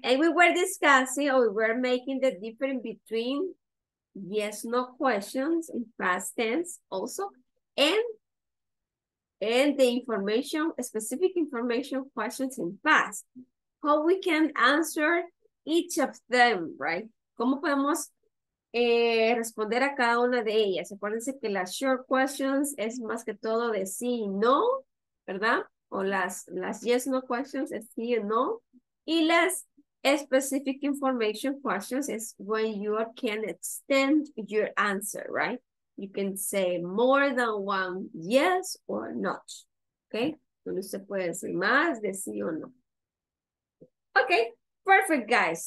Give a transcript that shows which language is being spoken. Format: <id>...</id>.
<en>And we were discussing, or we were making the difference between yes, no questions in past tense also, and the information, specific information questions in past. How we can answer each of them, right?</en> <es>¿Cómo podemos responder a cada una de ellas? Acuérdense que las short questions es más que todo de sí y no, ¿verdad? O las yes, no questions es sí y no. Y las</es> <en>specific information questions is when you can extend your answer, right? You can say more than one yes or not, okay?</en> <es>Donde usted puede decir más de sí o no.</es> <en>Okay, Perfect, guys.</en>